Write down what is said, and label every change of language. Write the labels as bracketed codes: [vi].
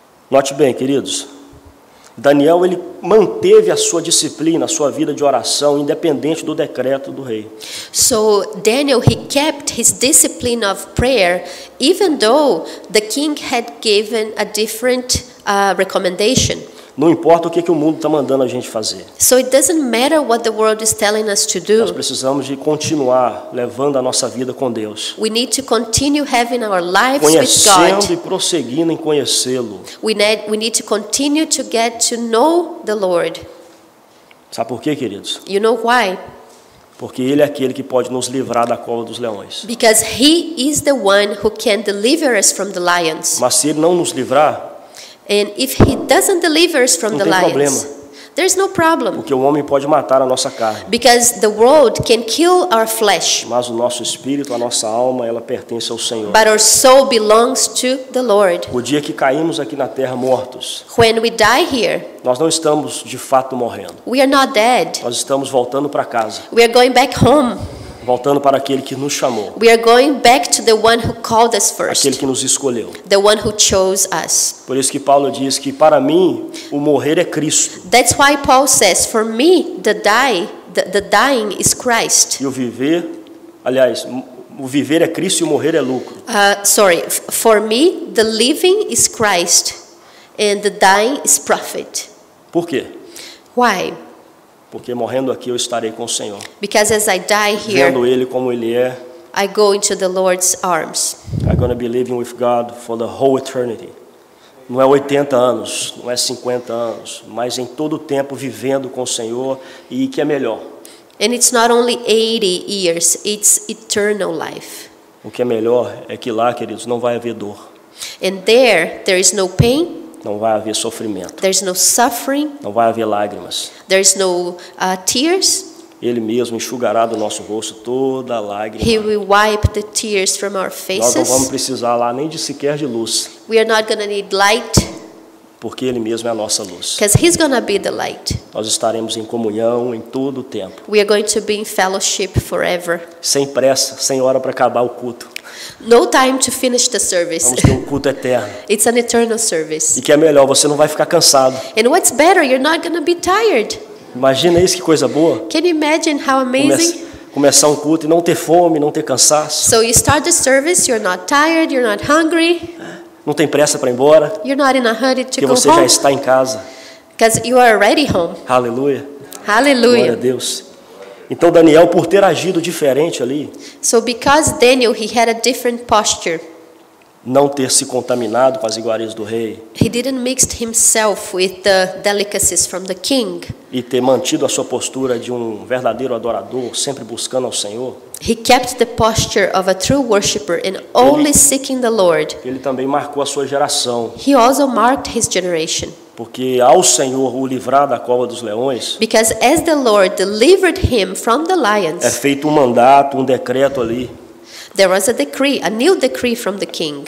[pt] Note bem, queridos. Daniel, ele manteve a sua disciplina, a sua vida de oração, independente do decreto do rei. [en] So Daniel, he kept his discipline of prayer, even though the king had given a different recommendation. [pt] Não importa o que, que o mundo está mandando a gente fazer. [en] So it doesn't matter what the world is telling us to do. [pt] Nós precisamos de continuar levando a nossa vida com Deus. [en] We need to continue having our lives [pt] conhecendo [en] with God. [pt] Conhecendo e prosseguindo em conhecê-lo. [en] We need to continue to get to know the Lord. [pt] Sabe por quê, queridos? [en] You know why? [pt] Porque ele é aquele que pode nos livrar da cova dos leões. [en] Because he is the one who can deliver us from the lions. [pt] Mas se ele não nos livrar, [en] and if he doesn't deliver us from [pt] não [en] the lions, [pt] problema. [en] There's no problem. [pt] Porque o homem pode matar a nossa carne. [en] Because the world can kill our flesh. [pt] Mas o nosso espírito, a nossa alma, ela pertence ao Senhor. [en] But our soul belongs to the Lord. [pt] O dia que caímos aqui na terra mortos, [en] when we die here, [pt] nós não estamos de fato morrendo. [en] We are not dead. [pt] Nós estamos voltando para casa. [en] We are going back home. [pt] Voltando para aquele que nos chamou. [en] We are going back to the one who called us first. [pt] Aquele que nos escolheu. [en] The one who chose us. [pt] Por isso que Paulo diz que para mim o morrer é Cristo. [en] That's why Paul says, for me the dying is Christ. [pt] E o viver, aliás, o viver é Cristo e o morrer é lucro. [en] For me the living is Christ and the dying is profit. [pt] Por quê? [en] Why? [pt] Porque morrendo aqui eu estarei com o Senhor. [en] Because as I die here, [pt] vendo ele como ele é, [en] I go into the Lord's arms. I'm going to be living with God for the whole eternity. [pt] Não é 80 anos, não é 50 anos, mas em todo o tempo vivendo com o Senhor, e que é melhor. [en] And it's not only 80 years, it's eternal life. [pt] O que é melhor é que lá, queridos, não vai haver dor. [en] And there is no pain. [pt] Não vai haver sofrimento. [en] There's no suffering. [pt] Não vai haver lágrimas. [en] There's no tears. [pt] Ele mesmo enxugará do nosso rosto toda a lágrima. [en] He will wipe the tears from our faces. [pt] Nós não vamos precisar lá nem de sequer de luz. [en] We are not going to need light. [pt] Porque ele mesmo é a nossa luz. [en] Because he's going to be the light. [pt] Nós estaremos em comunhão em todo o tempo. [en] We are going to be in fellowship forever. [pt] Sem pressa, sem hora para acabar o culto. [en] No time to finish the service. [pt] Vamos ter um culto eterno. [en] It's an eternal service. [pt] E que é melhor, você não vai ficar cansado. [en] And what's better, you're not going to be tired. [pt] Imagina isso, que coisa boa. [en] Can you imagine how amazing? [pt] Começar um culto e não ter fome, não ter cansaço. [en] So you start the service, you're not tired, you're not hungry. [pt] Não tem pressa para ir embora. [en] You're not in a hurry to go home. [pt] Que você já está em casa. [en] Because you are already home. [pt] Aleluia. [en] Hallelujah. [pt] Glória a Deus. Então Daniel, por ter agido diferente ali, [en] so because Daniel, he had a different posture, [pt] não ter se contaminado com as iguarias do rei, [en] he didn't mix himself with the delicacies from the king, [pt] e ter mantido a sua postura de um verdadeiro adorador, sempre buscando ao Senhor, [en] he kept the posture of a true worshipper and only seeking the Lord. [pt] Ele também marcou a sua geração. [en] He also marked his generation. [pt] Porque ao Senhor o livrar da cova dos leões, [en] because as the Lord delivered him from the lions, [pt] é feito um mandato, um decreto ali. [en] There was a decree, a new decree from the king.